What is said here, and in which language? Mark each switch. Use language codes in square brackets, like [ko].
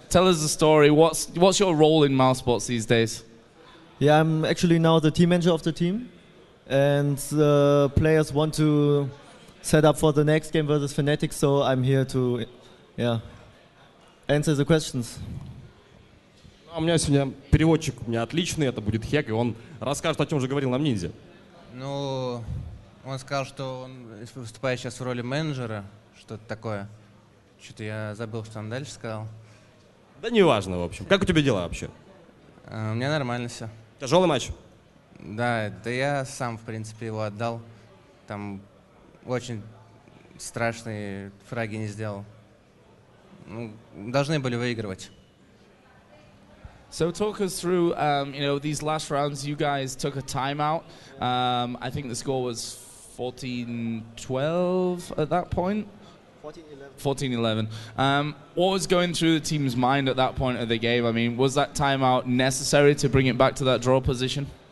[en] Tell us the story. What's your role in Mousesports these days? Yeah, I'm actually now the team manager of the team. And players want to set up for the next game versus Fnatic, so I'm here to answer the questions. [ru] У меня сегодня переводчик, у меня отличный, это будет Хек, и он расскажет, о чем же говорил нам Ниндзя. Ну, он сказал, что он выступает сейчас в роли менеджера, что-то такое. Что-то я забыл, что он дальше сказал. Да неважно, в общем. Как у тебя дела вообще? У меня нормально все. Тяжелый матч? Да, это я сам, в принципе, его отдал. Там очень страшные фраги не сделал. Ну, должны были выигрывать. [en] So talk us through, you know, these last rounds, you guys took a timeout. I think the score was 14-12 at that point. 14-11. 14-11. What was going through the team's mind at that point of the game? I mean, was that timeout necessary to bring it back to that draw position?